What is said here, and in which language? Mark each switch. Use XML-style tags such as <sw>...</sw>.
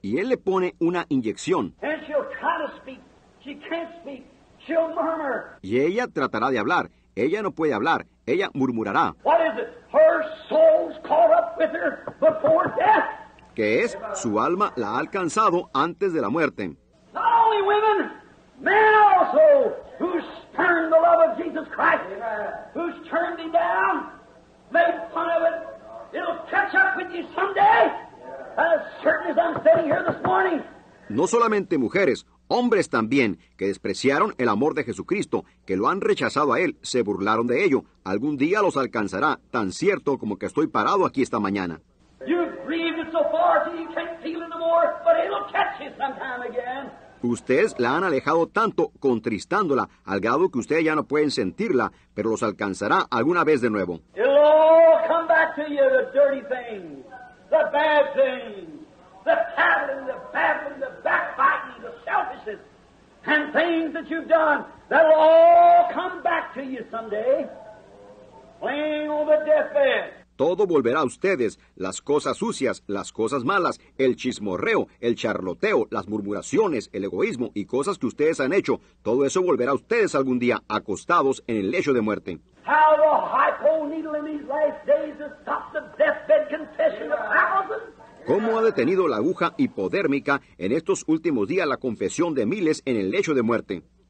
<es>Y él le pone una inyección.</es> <en>And she'll try to speak. She can't speak. She'll murmur.</en> <es>Y ella tratará de hablar. Ella no puede hablar. Ella murmurará.</es> <en>What is it? Her soul's caught up with her before death.</en> <es>¿Qué es? Su alma la ha alcanzado antes de la muerte.</es> <en>Not only women, men also, who's turned the love of Jesus Christ, who's turned him down, made fun of it. It'll catch up with you someday. As certain as I'm sitting here this morning.</en> <es>No solamente mujeres, hombres también, que despreciaron el amor de Jesucristo, que lo han rechazado a él, se burlaron de ello. Algún día los alcanzará, tan cierto como que estoy parado aquí esta mañana.</es> <en>You've grieved it so far that you can't feel it no more, but it'll catch you sometime again.</en> <es>Ustedes la han alejado tanto, contristándola, al grado que ustedes ya no pueden sentirla, pero los alcanzará alguna vez de nuevo.</es> <en>It'll all come back to you, the dirty things, the bad things, the tattling, the babbling, the backbiting, the selfishness, and things that you've done, that'll all come back to you someday, laying on the deathbed.</en> <es>Todo volverá a ustedes, las cosas sucias, las cosas malas, el chismorreo, el charloteo, las murmuraciones, el egoísmo y cosas que ustedes han hecho. Todo eso volverá a ustedes algún día, acostados en el lecho de muerte.</es> <en>How the hypo needle in these last days has stopped the deathbed contagion.</en> <es>¿Cómo ha detenido la aguja hipodérmica en estos últimos días la confesión de miles en el lecho de muerte?</es>